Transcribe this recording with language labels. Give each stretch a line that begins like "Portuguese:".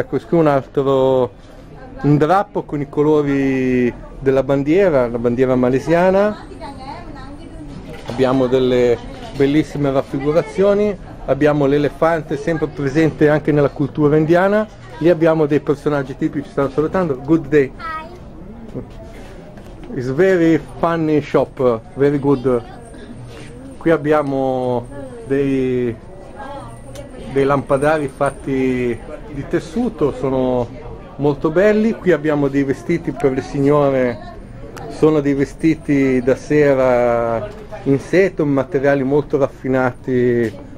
Italian: Ecco, qui un drappo con i colori della bandiera, la bandiera malesiana. Abbiamo delle bellissime raffigurazioni, abbiamo l'elefante sempre presente anche nella cultura indiana, lì abbiamo dei personaggi tipici, stanno salutando,
English: good day. Hi. It's very funny shop, very good.
Italian: Qui abbiamo dei lampadari fatti di tessuto, sono molto belli. Qui abbiamo dei vestiti per le signore, sono dei vestiti da sera in seta, materiali molto raffinati.